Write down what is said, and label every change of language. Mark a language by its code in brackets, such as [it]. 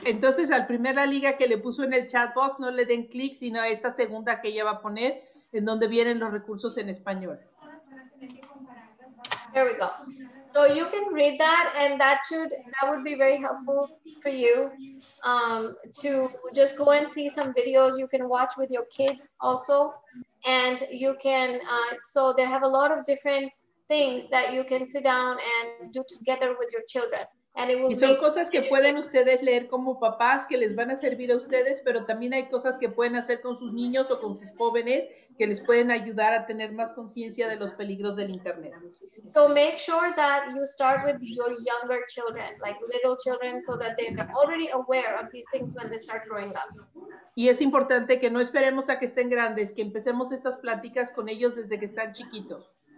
[es] Entonces, al primera liga que le puso en el chat box, no le den clic, sino a esta segunda que ella va a poner, en donde vienen los recursos en español. [en] There we go. So you can read that, and that would be very helpful for you to just go and see some videos you can watch with your kids also. And you can, so they have a lot of different things that you can sit down and do together with your children. And it will [es] y son cosas que pueden ustedes leer como papás que les van a servir a ustedes, pero también hay cosas que pueden hacer con sus niños o con sus jóvenes que les pueden ayudar a tener más conciencia de los peligros del internet. [en] So make sure that you start with your younger children, like little children, so that they're already aware of these things when they start growing up. [es] Y es importante que no esperemos a que estén grandes, que empecemos estas pláticas con ellos desde que están chiquitos.